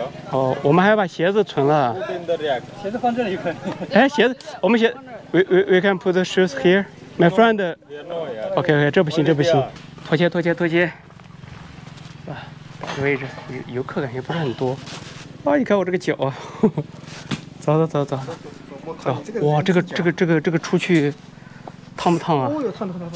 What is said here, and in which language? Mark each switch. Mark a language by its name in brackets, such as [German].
[Chinese] 哦，我们还要把鞋子存了。鞋子放这里就可以。哎，鞋子，我们鞋 [English] ，we can put the shoes here, my friend. [Chinese] Okay, 这不行，这不行，脱鞋，脱鞋，脱鞋。啊，把这位置，游客感觉不是很多。啊，你看我这个脚啊，走走走走，走。哇，这个出去烫不烫啊？哦哟，烫。